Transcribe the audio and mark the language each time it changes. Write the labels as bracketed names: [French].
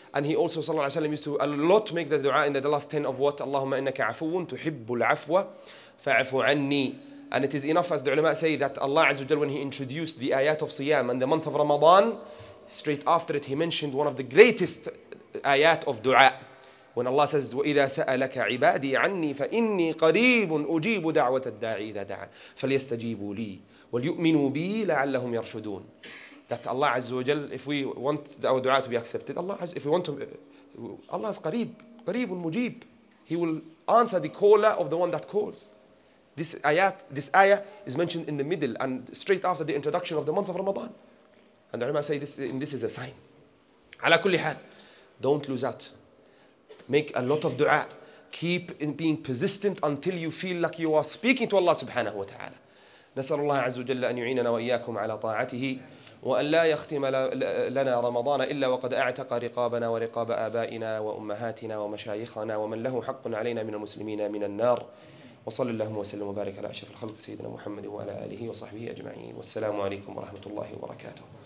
[English] And he also, sallallahu alayhi wa sallam, used to a lot make the dua in the last 10 of what? [Arabic] Allahumma innaka afuun tuhibbul afwa fa'afu anni. [English] And it is enough, as the ulama say, that Allah Azza wa Jal, when he introduced the ayat of Siyam and the month of Ramadan, straight after it, he mentioned one of the greatest ayat of dua. When Allah says, [Arabic] وَإِذَا سَأَلَكَ عِبَادِي عَنِّي فَإِنِّي قَرِيبٌ أُجِيبُ دَعْوَةَ الدَّاعِ إِذَا دَعَى فَلْيَسْتَجِيبُوا لِي وَلْيُؤْمِنُوا بِي لَعَلَّهُمْ يَرْشُدُونَ. [English] That Allah Azza wa Jal, if we want our dua to be accepted, Allah has, if we want to, Allah is qareeb, qareebun mujib. He will answer the caller of the one that calls. This ayat, this ayah is mentioned in the middle and straight after the introduction of the month of Ramadan. And the ulama say this, and this is a sign. Ala kulli hal, don't lose out. Make a lot of dua. Keep in being persistent until you feel like you are speaking to Allah subhanahu wa ta'ala. [Arabic] نسأل الله عز وجل أن يعيننا وإياكم على طاعته وأن لا يختم لنا رمضان إلا وقد أعتق رقابنا ورقاب آبائنا وأمهاتنا ومشايخنا ومن له حق علينا من المسلمين من النار. وصلى الله وسلم وبارك على أشرف الخلق سيدنا محمد وعلى آله وصحبه أجمعين. والسلام عليكم ورحمة الله وبركاته.